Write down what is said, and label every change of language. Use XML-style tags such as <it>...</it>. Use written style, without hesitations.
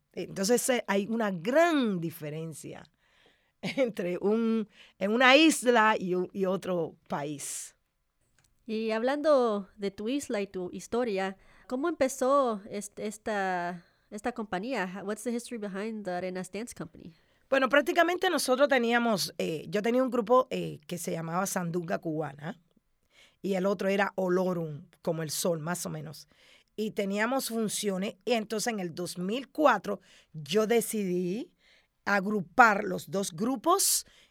<es>Entonces hay una gran diferencia entre en una isla y otro país. Y hablando de tu isla y tu historia, ¿cómo empezó esta compañía?</es> <en>What's the history behind the Arenas Dance Company?</en> <es>Bueno, prácticamente nosotros teníamos, yo tenía un grupo que se llamaba Sandunga Cubana y el otro era Olorum, como el sol, más o menos. Y teníamos funciones y entonces en el 2004 yo decidí agrupar los dos grupos</es>